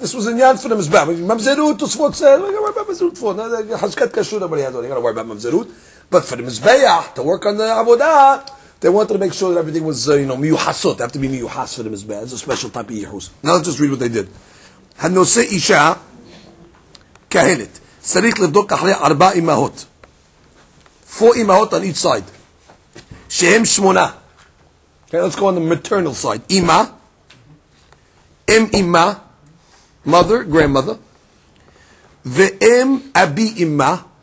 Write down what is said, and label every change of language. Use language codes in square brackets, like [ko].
[en] This was a nyan for the Mizbeah. Mamzerut, Tosfot said, I got to worry about Mamzerut for. You got to worry about Mamzerut. But for the Mizbeah, to work on the Avodah, they wanted to make sure that everything was, you know, Miyuhasot. They have to be Miyuhas for the Mizbeah. It's a special type of Yehus. Now let's just read what they did. [he] Hanose Isha Kahenet. צריך לבדוק אחרי ארבע אמהות. [en] Four אמהות on each side. [he] שהם שמונה. [en] Okay, let's go on the maternal side. אמא. [he] אם אמא. [en] Mother, grandmother. [he] ואם אבי אמא.